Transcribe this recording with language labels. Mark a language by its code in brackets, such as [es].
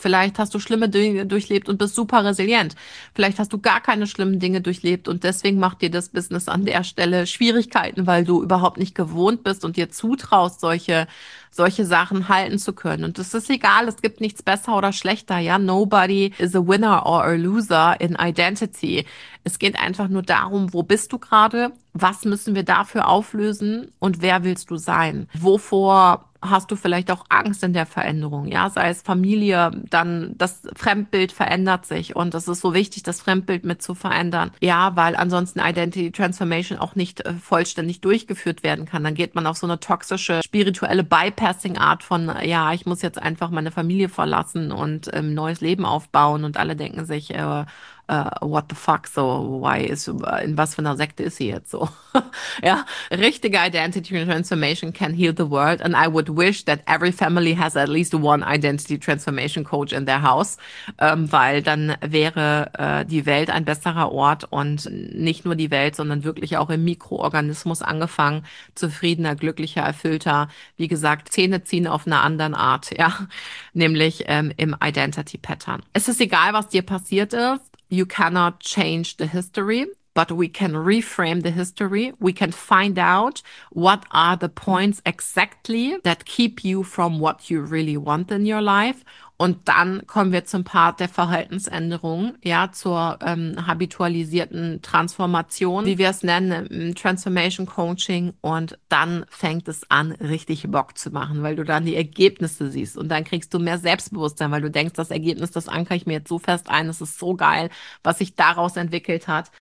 [de] Vielleicht hast du schlimme Dinge durchlebt und bist super resilient. Vielleicht hast du gar keine schlimmen Dinge durchlebt und deswegen macht dir das Business an der Stelle Schwierigkeiten, weil du überhaupt nicht gewohnt bist und dir zutraust, solche Sachen halten zu können. Und es ist egal, es gibt nichts besser oder schlechter, ja. [en] Nobody is a winner or a loser in Identity. [de] Es geht einfach nur darum, wo bist du gerade? Was müssen wir dafür auflösen? Und wer willst du sein? Wovor hast du vielleicht auch Angst in der Veränderung? Ja, sei es Familie, dann das Fremdbild verändert sich. Und es ist so wichtig, das Fremdbild mit zu verändern. Ja, weil ansonsten Identity Transformation auch nicht vollständig durchgeführt werden kann. Dann geht man auf so eine toxische, spirituelle Bypassing-Art von, ja, ich muss jetzt einfach meine Familie verlassen und ein neues Leben aufbauen. Und alle denken sich, [en] what the fuck, so, why is, [de] in was für einer Sekte ist sie jetzt so? Ja, richtige Identity Transformation [en] can heal the world and I would wish that every family has at least one Identity Transformation Coach in their house, [de] weil dann wäre die Welt ein besserer Ort und nicht nur die Welt, sondern wirklich auch im Mikroorganismus angefangen, zufriedener, glücklicher, erfüllter, wie gesagt, Zähne ziehen auf einer anderen Art, ja, nämlich im Identity Pattern. Es ist egal, was dir passiert ist. [en] You cannot change the history, but we can reframe the history. We can find out what are the points exactly that keep you from what you really want in your life. [de] Und dann kommen wir zum Part der Verhaltensänderung, ja, zur habitualisierten Transformation, wie wir es nennen, im Transformation Coaching. Und dann fängt es an, richtig Bock zu machen, weil du dann die Ergebnisse siehst und dann kriegst du mehr Selbstbewusstsein, weil du denkst, das Ergebnis, das ankere ich mir jetzt so fest ein, es ist so geil, was sich daraus entwickelt hat.